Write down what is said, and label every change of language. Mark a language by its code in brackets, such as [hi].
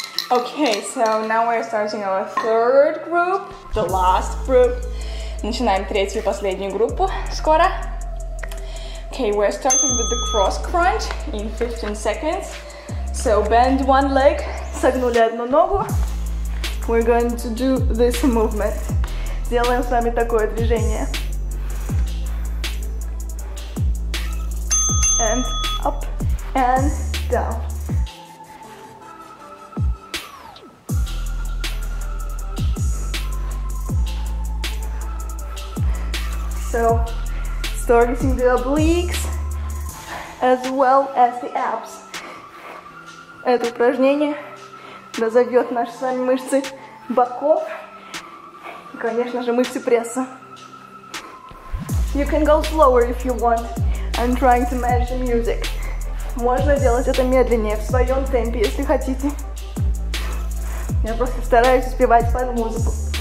[en] Okay, so now we're starting our third group, the last group. [ru] Начинаем третью, последнюю группу скоро. [en] Okay, we're starting with the cross crunch in 15 seconds. So bend one leg. [ru] Согнули одну ногу. [en] We're going to do this movement. [ru] Сделаем с вами такое движение. [en] And up and down. So, targeting the obliques as well as the abs. [ru] Это упражнение разовьет наши с вами мышцы боков и, конечно же, мышцы пресса. [en] You can go slower if you want. I'm trying to manage the music. [ru] Можно делать это медленнее, в своем темпе, если хотите. Я просто стараюсь успевать под музыку.